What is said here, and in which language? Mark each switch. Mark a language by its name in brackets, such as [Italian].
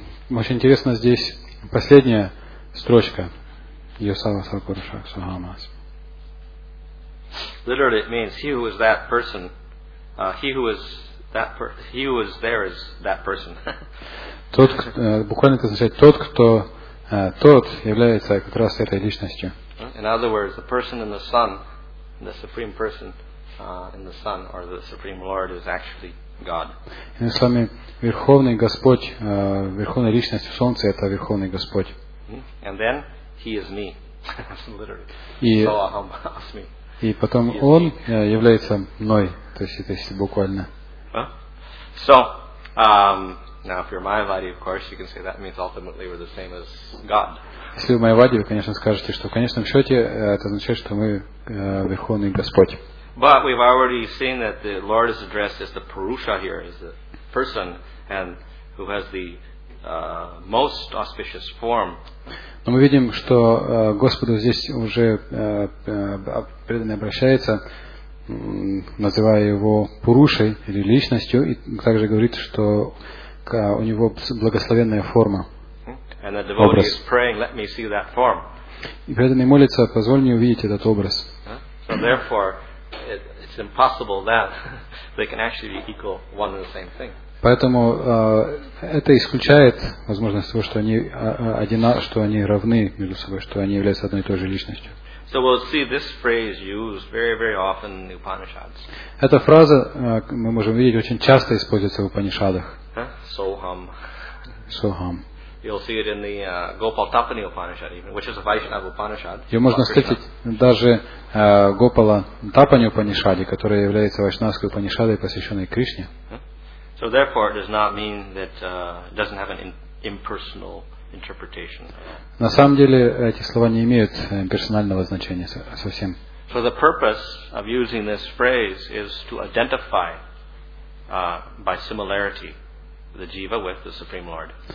[Russian] Очень интересно здесь последняя строчка. [Sanskrit] Yo asau asau purusha, so aham asmi. [English] Literally, it means he who is that person, he who is there is that person. [Russian] Тот, буквально это означает тот, кто тот является как раз этой личностью. [English] In other words, the person in the sun, the supreme person in the sun, or the supreme Lord, is actually God. [Russian] Иными словами, верховный Господь, верховная личность в солнце, это верховный Господь. [English] And then he is me, literally. [Sanskrit] So aham asmi. [Russian] И потом он является мной, то есть буквально. [English] So, now if you're Mayavadi, of course, you can say that means ultimately we're the same as God. [Russian] Если вы Майавади, вы, конечно, скажете, что в конечном счете это означает, что мы Верховный Господь. [English] But we've already seen that the Lord is addressed as the Purusha here, as the person and who has the most auspicious form. [Russian] Но мы видим, что Господу здесь уже преданный обращается, называя его Пурушей или личностью, и также говорит, что у него благословенная форма. [English] And the devotee is praying, let me see that form. [Russian] И преданный молится, позволь мне увидеть этот образ. [English] So therefore, it's impossible that they can actually be equal one and the same thing. [Russian] Поэтому это исключает возможность того, что они что они равны между собой, что они являются одной и той же личностью. [English] So we'll see this phrase used very, very often in the Upanishads. [Russian] Эта фраза мы можем видеть очень часто используется в Упанишадах. [Sanskrit] Soham. Soham. [English] You'll see it in the Gopaltapani Upanishad, even, which is a Vaishnava Upanishad. [Russian] Ее можно встретить даже Гопалтапани Упанишаде, которая является Вайшнавской Упанишадой, посвященной Кришне. [English] So therefore, it does not mean that it doesn't have an impersonal interpretation. [Russian] На самом деле эти слова не имеют персонального значения совсем. [English] So the purpose of using this phrase is to identify by similarity the jiva with the Supreme Lord.